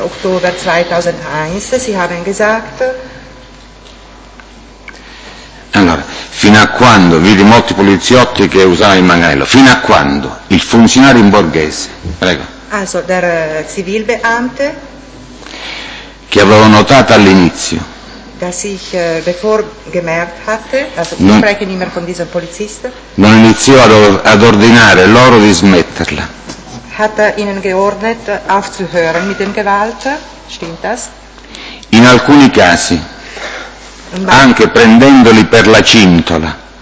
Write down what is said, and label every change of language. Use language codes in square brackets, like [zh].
[de] Oktober 2001, Sie haben gesagt. [it] Allora, fino a quando, vidi molti poliziotti che usavano il manganello, fino a quando il funzionario in borghese, prego. [de] Also, der Zivilbeamte. [it] Che avevo notato all'inizio. [de] Dass ich bevor gemerkt hatte, also non, ich spreche nicht mehr von diesem Polizisten. [it] Non iniziò ad ordinare loro di smetterla. [de] Hat er ihnen geordnet, aufzuhören mit dem Gewalt? Stimmt das? [it] In alcuni casi, anche prendendoli per la cintola.